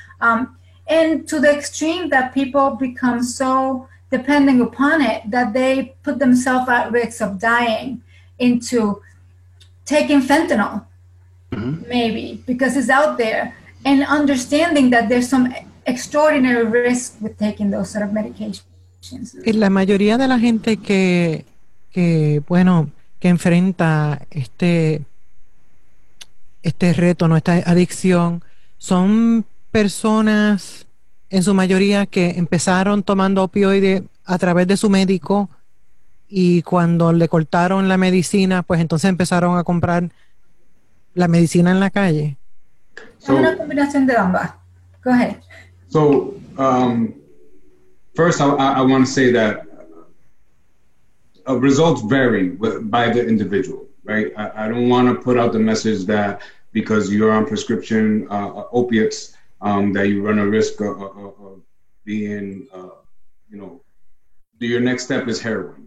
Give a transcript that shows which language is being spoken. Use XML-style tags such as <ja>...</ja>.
<en>And to the extreme that people become so dependent upon it that they put themselves at risk of dying into taking fentanyl, maybe, because it's out there, and understanding that there's some extraordinary risk with taking those sort of medications.</en> <es>Y la mayoría de la gente que enfrenta este reto, ¿no?, esta adicción, son personas en su mayoría que empezaron tomando opioides a través de su médico, y cuando le cortaron la medicina, pues entonces empezaron a comprar la medicina en la calle. Es una combinación de ambas.</es> <en>Go ahead. So, first I want to say that results vary by the individual, right? I don't want to put out the message that because you're on prescription opiates that you run a risk of being, your next step is heroin.</en>